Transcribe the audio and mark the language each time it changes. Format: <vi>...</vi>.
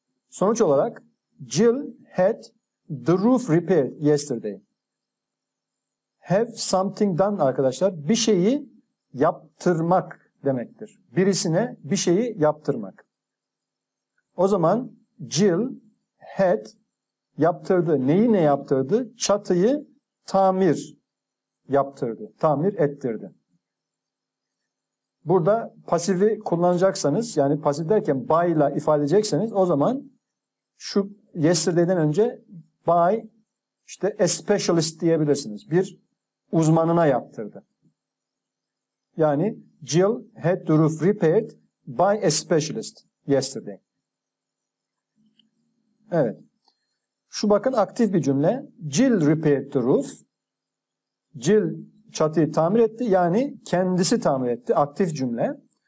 <tr>Sonuç olarak</tr> <en>Jill had the roof repaired yesterday. Have something done</en> <tr>arkadaşlar, bir şeyi yaptırmak demektir. Birisine bir şeyi yaptırmak. O zaman Jill had yaptırdı. Neyi ne yaptırdı? Çatıyı tamir yaptırdı. Tamir ettirdi. Burada pasifi kullanacaksanız, yani pasif derken by ile ifade edecekseniz, o zaman şu yesterday'den önce by işte a specialist diyebilirsiniz. Bir uzmanına yaptırdı.</tr> <en>Yani Jill had the roof repaired by a specialist yesterday.</en> <tr>Evet. Şu bakın aktif bir cümle.</tr> <en>Jill repaired the roof.</en> <tr>Jill çatıyı tamir etti. Yani kendisi tamir etti. Aktif cümle.</tr>